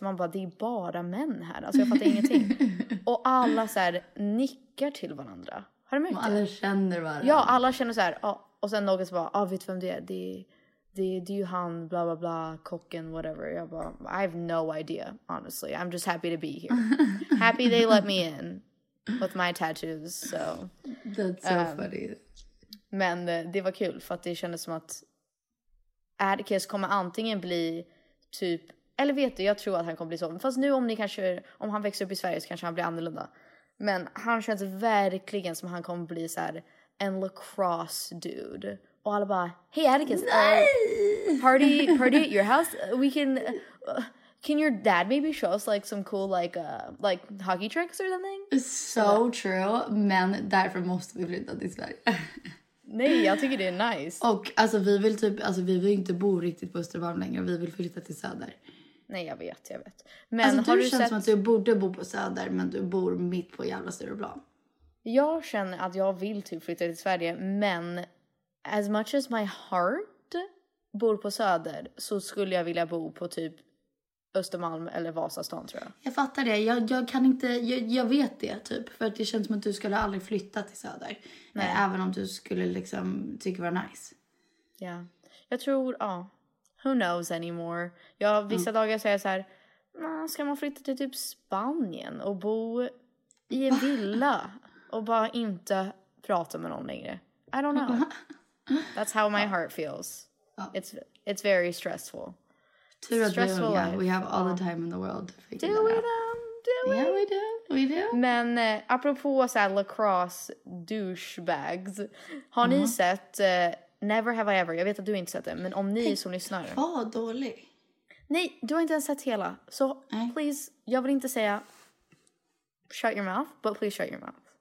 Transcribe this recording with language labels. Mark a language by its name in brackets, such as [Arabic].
[Swedish] Man bara, det är bara män här. Alltså jag fattar ingenting. Och alla så här nickar till varandra. Har du märkt det? Alla känner varandra. Ja, alla känner så här. Och sen någon så bara, vet vem det är? Det är ju han, bla bla bla, kocken, whatever. Jag bara, [English] I have no idea, honestly. I'm just happy to be here. Happy they let me in with my tattoos, so. That's so funny. [Swedish] Men det var kul för att det kändes som att Atticus kommer antingen bli typ, eller vet du, jag tror att han kommer bli så. Fast nu om han växer upp i Sverige så kanske han blir annorlunda. Men han känns verkligen som han kommer bli så här en lacrosse dude. Och alla bara, [English] hey Atticus, party at your house? We can your dad maybe show us like some cool like hockey tricks or something? So true, [Swedish] men därför måste vi flytta till Sverige. Nej, jag tycker det är nice. Och alltså vi vill inte bo riktigt på Östermalm längre. Vi vill flytta till Söder. Nej, jag vet. Men alltså, du känns som att du borde bo på Söder, men du bor mitt på jävla Stureplan. Jag känner att jag vill typ flytta till Sverige, men [English] as much as my heart [Swedish] bor på Söder så skulle jag vilja bo på typ Östermalm eller Vasastan, tror jag. Jag fattar det. Jag kan inte. Jag vet det, typ. För att det känns som att du skulle aldrig flytta till Söder. Nej. Även om du skulle liksom tycka var nice. Ja. Yeah. Jag tror, ja. [English] Who knows anymore. [Swedish] Jag, vissa dagar säger så här, ska man flytta till typ Spanien och bo i en villa? Och bara inte prata med någon längre. [English] I don't know. That's how my heart feels. Oh. It's very stressful. Stressful. Yeah, life. We have all the time in the world to figure out. Do we though? Do we? Yeah, we do. We do. [Swedish] Men, apropå så här, lacrosse douchebags. Har ni sett Never Have I Ever? Jag vet att du inte sett det, men om ni som lyssnar. Vad dålig. Nej, du har inte ens sett hela. [English] Så please, [Swedish] jag vill inte säga [English] shut your mouth, but please shut your mouth.